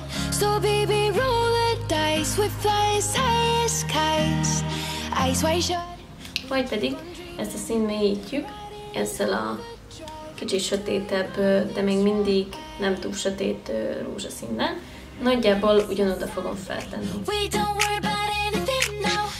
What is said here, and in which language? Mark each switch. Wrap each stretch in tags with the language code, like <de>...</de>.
<en>So baby, roll the dice with flies, highest kites, eyes wide shut.</en> <hu>Majd pedig ezt a színt mélyítjük ezzel a kicsit sötétebb, de még mindig nem túl sötét rózsaszínnel. Nagyjából ugyanoda fogom feltenni.</hu> <en>We don't worry about anything now.</en>